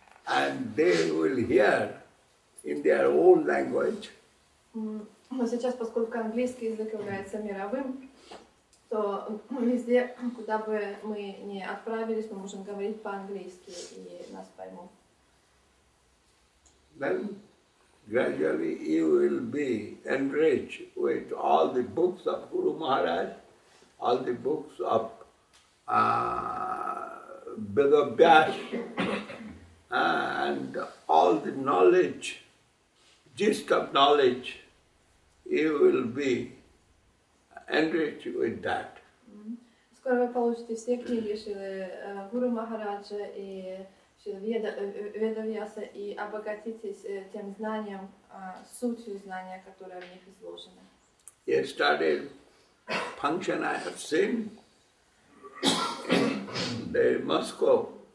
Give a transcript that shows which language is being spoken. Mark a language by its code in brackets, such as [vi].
[en] And they will hear in their own language. [ru] Но сейчас, поскольку английский язык является мировым, то везде, куда бы мы ни отправились, мы можем говорить по-английски, и нас поймут. [en] Then, gradually, you will be enriched with all the books of Guru Maharaj, all the books of Vedavyasa, and all the knowledge, gist of knowledge, you will be enriched with that. [ru] Скоро вы получите все книги Шрилы Гуру Махараджа и Шрилы Ведавьяса и обогатитесь тем знанием, сутью знания, которое в них изложено. [en] Yesterday, function I have seen in Moscow.